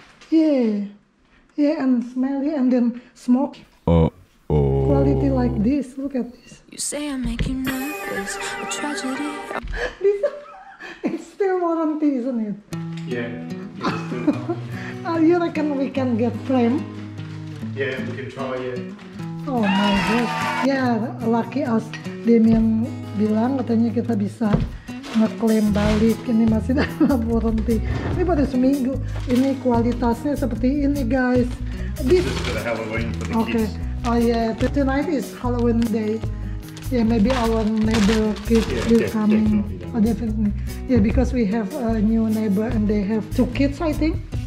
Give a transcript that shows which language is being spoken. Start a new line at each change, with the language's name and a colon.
English: Yeah, and smelly and then smoky. Quality like this, look at this. You say I'm making nervous, a tragedy. This, it's still warranty, isn't it? Yeah, it's still. You reckon we can get frame? Yeah, we can try, yeah. Oh my god.
Indonesian: Yeah,
English: lucky as Damien
Indonesian: bilang, katanya kita bisa ngeklaim balik, ini masih dalam warranty. Ini baru seminggu, ini kualitasnya seperti ini, guys.
English: This is for the Halloween for the kids. Oh yeah, tonight is Halloween day. Yeah, maybe our neighbor kids will come. Oh, definitely. Yeah, because we have a new neighbor and they have two kids, I think.